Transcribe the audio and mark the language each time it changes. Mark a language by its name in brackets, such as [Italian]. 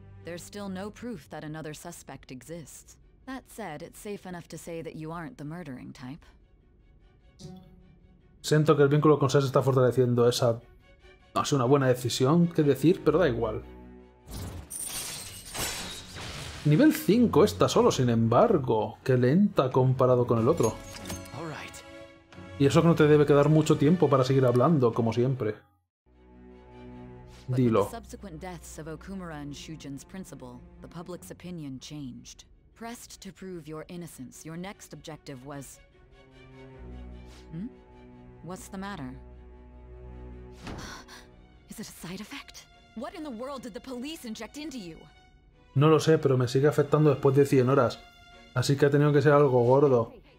[English] There's still no proof that another suspect exists. That said, it's safe enough to say that you aren't the murdering type. [Spanish] Siento que el vínculo con Sae está fortaleciendo esa... No sé, una buena decisión que decir, pero da igual. Nivel 5 está solo, sin embargo. Qué lenta comparado con el otro. Y eso que no te debe quedar mucho tiempo para seguir hablando, como siempre. [English] But with the subsequent deaths of Okumura and Shujin's principal, the public's opinion changed. Pressed to prove your innocence, your next objective was... What's the matter? Is it a side effect? What in the world did the police inject into you? [Spanish] No lo sé, pero me sigue afectando después de 100 horas. Así que ha tenido que ser algo gordo.